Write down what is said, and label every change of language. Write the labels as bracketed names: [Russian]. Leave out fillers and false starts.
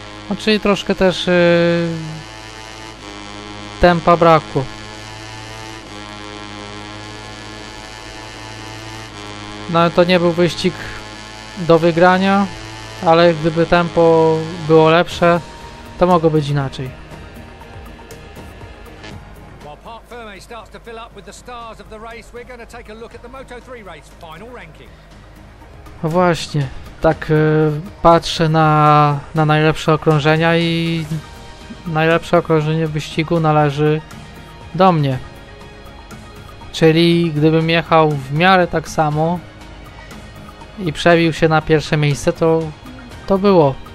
[Polish] No, czyli troszkę też tempa brakło. No to nie był wyścig do wygrania, ale gdyby tempo było lepsze, to mogło być inaczej. [English] Starts to fill up with the stars of the race. We're going to take a look at the Moto3 race final ranking. [Polish] Właśnie, tak patrzę na najlepsze okrążenia i najlepsze okrążenie wyścigu należy do mnie. Czyli gdybym jechał w miarę tak samo i przebił się na pierwsze miejsce, to było.